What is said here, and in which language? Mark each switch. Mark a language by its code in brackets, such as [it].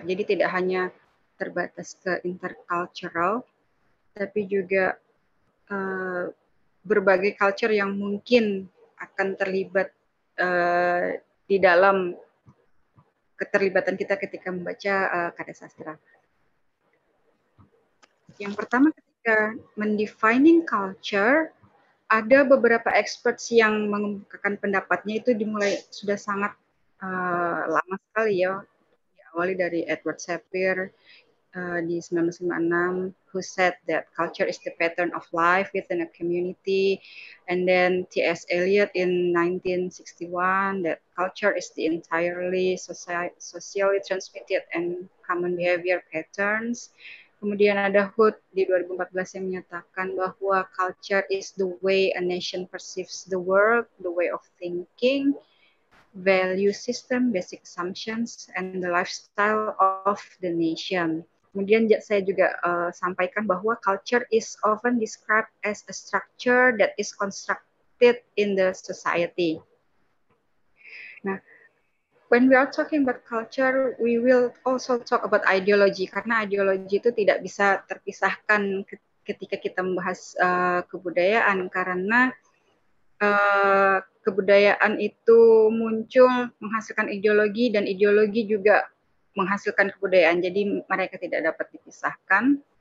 [id] Jadi tidak hanya terbatas ke intercultural, tapi juga berbagai culture yang mungkin akan terlibat di dalam keterlibatan kita ketika membaca karya sastra. Yang pertama, ketika mendefining culture, ada beberapa experts yang mengemukakan pendapatnya itu dimulai sudah sangat lama sekali ya. Diawali dari Edward Sapir di 1956, [en] who said that culture is the pattern of life within a community. And then T.S. Eliot in 1961, that culture is the entirely socially transmitted and common behavior patterns. [id] Kemudian ada Hood di 2014 yang menyatakan bahwa [en] culture is the way a nation perceives the world, the way of thinking, value system, basic assumptions, and the lifestyle of the nation. [id] Kemudian saya juga sampaikan bahwa [en] culture is often described as a structure that is constructed in the society. [id] Nah, [en] when we are talking about culture, we will also talk about ideology, [id] karena ideologi itu tidak bisa terpisahkan ketika kita membahas kebudayaan, karena kebudayaan itu muncul menghasilkan ideologi, dan ideologi juga menghasilkan kebudayaan, jadi mereka tidak dapat dipisahkan.